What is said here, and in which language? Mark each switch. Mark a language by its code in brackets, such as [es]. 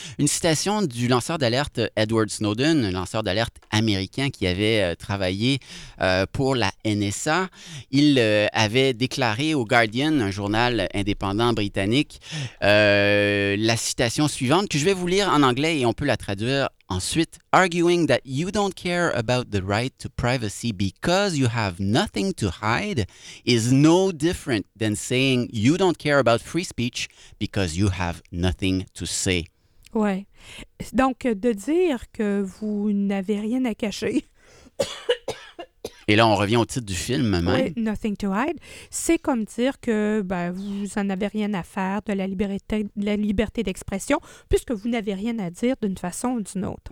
[fr] Une citation du lanceur d'alerte Edward Snowden, lanceur d'alerte américain qui avait travaillé pour la NSA. Il avait déclaré au Guardian, un journal indépendant britannique, la citation suivante que je vais vous lire en anglais et on peut la traduire ensuite. [en] « Arguing that you don't care about the right to privacy because you have nothing to hide is no different than saying you don't care about free speech because you have nothing to say. » [fr] Ouais. Donc, de dire que vous n'avez rien à cacher. Et là, on revient au titre du film même. Oui, « Nothing to hide », c'est comme dire que ben, vous n'en avez rien à faire de la liberté d'expression, puisque vous n'avez rien à dire d'une façon ou d'une autre.